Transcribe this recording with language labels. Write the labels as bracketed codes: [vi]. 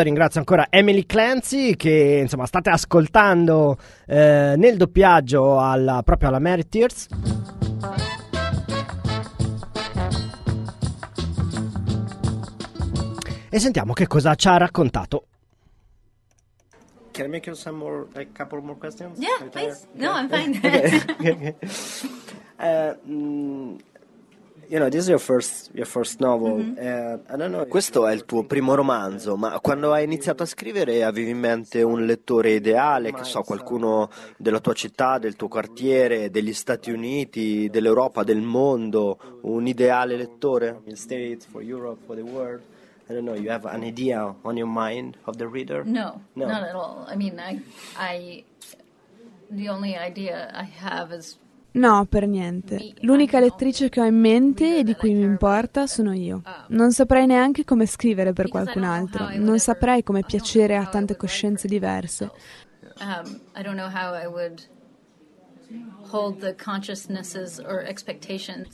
[it] Ringrazio ancora Emily Clancy, che insomma state ascoltando nel doppiaggio alla, proprio alla Mary Tears. E sentiamo che cosa ci ha raccontato. [en] Can I make you some more, a couple more questions? Yeah, right, please. There? No, yeah. I'm fine. You know, this is your first novel. Mm-hmm. I don't know. [it] Questo è il tuo primo romanzo, ma quando hai iniziato a scrivere avevi in mente un lettore ideale, che so, qualcuno della tua città, del tuo quartiere, degli Stati Uniti, dell'Europa, del mondo, un ideale lettore? [en] State for Europe, for the world. I don't know, you have an idea on your mind of the reader? No, not at all. I mean, I the only idea I have is... [it] No, per niente. L'unica lettrice che ho in mente e di cui mi importa sono io. Non saprei neanche come scrivere per qualcun altro. Non saprei come piacere a tante coscienze diverse. [en] I don't know how I would... hold the consciousnesses or expectations.